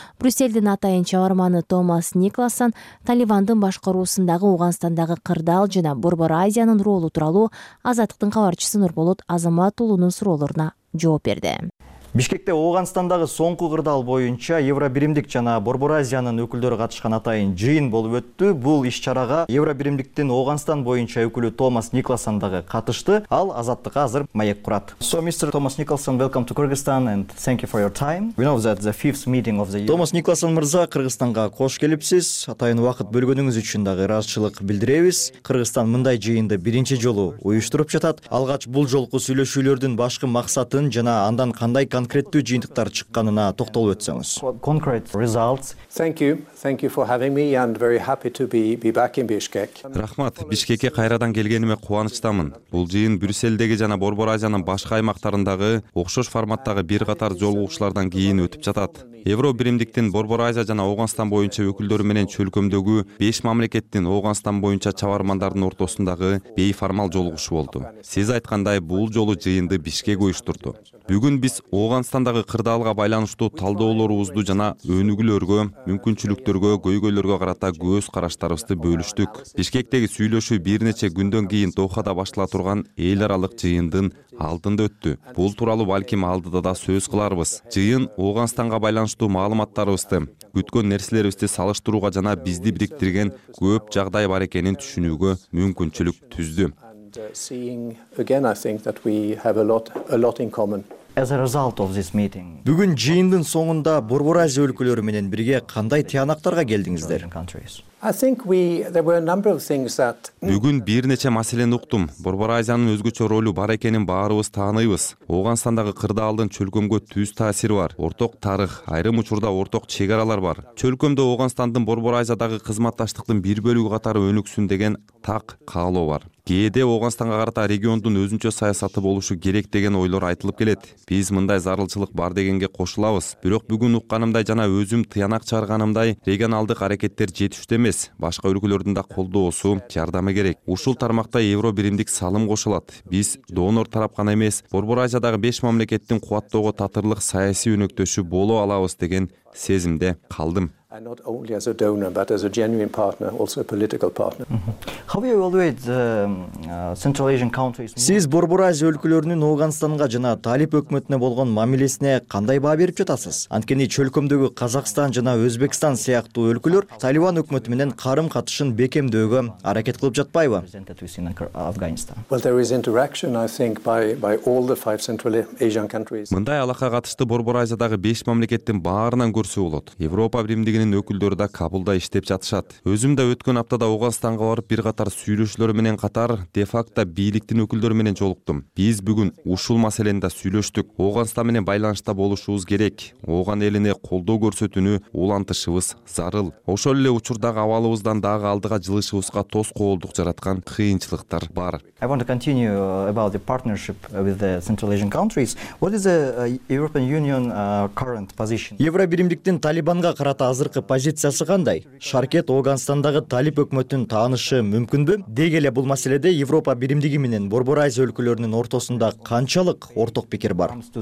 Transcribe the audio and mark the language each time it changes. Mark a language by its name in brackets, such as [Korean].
[Kyrgyz] Брюсселдин атайын чабарманы Томас Никласан Талибандын башкаруусундагы Ооганстандагы кырдаал жана Борбор Азиянын ролу тууралуу Азаттыктын кабарчысы Нурболот Азамат уулунун суроолоруна жооп берди. Бишкекте Ооганстандагы соңку кырдаал боюнча Евробиримдик жана Борбор Азиянын өкүлдөрү катышкан атайын жыйын болуп өттү. Бул иш-чарага Евробиримдиктин Ооганстан боюнча өкүлү Томас Никласан дагы катышты. Ал азаттыкка азыр маек курат. [English] So Mr. Thomas Nicholson, welcome to Kyrgyzstan and thank you for your time. We know that the fifth meeting of the year. [Kyrgyz] Томас Никласан мырза, Кыргызстанга кош келипсиз. Атайын убакыт бөлгөнүңүз үчүн дагы ыраазычылык билдиребиз. Кыргызстан мындай жыйынды биринчи жолу уюштуруп жатат. Алгач бул жолку сүйлөшүүлөрдүн башкы максатын жана андан кандай конкреттүү жыйынтыктар чыкканына токтолуп өтсөңүз. [English] Concrete results. Thank you for having me and very happy to be back in Bishkek. [Kyrgyz] Рахмат, Бишкекке кайрадан келгениме кубанычтамын. Бул жыйын Брюссельдеги жана Борбор Азиянын башка аймактарындагы окшош форматтагы бир катар жолугушуулардан кийин өтүп жатат. Евробиримдиктин Борбор Азия жана Ооганстан боюнча өкүлдөрү менен чөлкөмдөгү 5 мамлекеттин Ооганстан боюнча чабармандардын ортосундагы бейформал жолугушуу болду. Сиз айткандай, бул жолу жыйынды Бишкек уюштурду. Бүгүн биз Оогонстандагы кырдаалга байланыштуу талдоолорубузду жана өнүгүүлөргө, мүмкүнчүлүктөргө, көйгөйлөргө карата көз караштарыбызды бөлүштүк. Бишкектеги сүйлөшүү бир нече күндөн кийин Дохада башкарыла турган эл аралык жыйындын алдында өттү. Бул тууралуу балким алдыда да сөз кыларбыз. Жыйын Ооганстанга байланыштуу маалыматтарыбызды, күткөн нерселерибизди салыштырууга жана бизди бириктирген көп жагдай бар экенин түшүнүүгө мүмкүнчүлүк түздү. [English] Seeing again, I think that we have a lot in common. As a result of this meeting. [Kyrgyz] Бүгүн жыйындын соңунда Борбор Азия өлкөлөрү менен бирге кандай тыянактарга келдиңиздер? Бүгүн бир нече маселени уктум. Борбор Азиянын өзгөчө ролу бар экенин баарыбыз тааныйбыз. Ооганстандагы кырдаалдын чөлкөмгө түз таасири бар. Орток тарых, айрым учурда орток чек аралар бар. Чөлкөмдө Оогонстандын Борбор Азиядагы кызматташтыктын бир бөлүгү катары өнүксүн деген так каалоо бар. Кээде Ооганстанга карата региондун өзүнчө саясаты болушу керек деген ойлор айтылып келет. Биз мындай зарылчылык бар дегенге кошулабыз. Бирок бүгүн укканымдай жана өзүм тыянак чыгарганымдай регионалдык аракеттер жетиштүү эмес. Башка өлкөлөрдүн да колдоосу, жардамы керек. Ушул тармакта Евробиримдик салым кошулат. Биз донор тарап гана эмес, Борбор Азиядагы 5 мамлекеттин кубаттоого татырлык саясий өнөктөшү боло алабыз деген сезимде калдым. [English] And not only as a donor but as a genuine partner, also a political partner. How you evaluate the Central Asian countries? [Kyrgyz] Сиз Борбор Азия өлкөлөрүнүн Ооганстанга жана Талип өкмөтүнө болгон мамилесине кандай баа берип жатасыз? Анткени чөлкөмдөгү Казакстан жана Өзбекстан сыяктуу өлкөлөр Талибан өкмөтү менен карым-катышын бекемдөөгө аракет кылып жатпайбы? [English] Well, there is interaction I think by all the five Central Asian countries. [Kyrgyz] Мындай алака катышты Борбор Азиядагы 5 мамлекеттин баарынан көрсөк болот. Европа биримдигинин өкүлдөрү да Кабулда иштеп жатышат. Өзүм да өткөн аптада Ооганстанга барып, бир катар сүйлөшүүлөр менен катар де-факто бийликтин өкүлдөрү менен жолуктум. Биз бүгүн ушул маселени да сүйлөштүк. Ооганстан менен байланышта болушубуз керек. Ооган элине колдоо көрсөтүүнү улантышыбыз зарыл. Ошол эле учурдагы абалыбыздан дагы алдыга жылышыбызга тоскоолдук жараткан кыйынчылыктар бар. [English] I want to continue about the partnership with the Central Asian countries. What is the European Union current position? [Kyrgyz] Евробиримдиктин Талибанга карата азыркы позициясы кандай? Шаркет Ооганстандагы Талип өкмөтүн таанышы мүмкүнбү? Деги эле бул маселеде Европа биримдиги менен Борбор Азия өлкөлөрүнүн ортосунда канчалык орток пикир бар?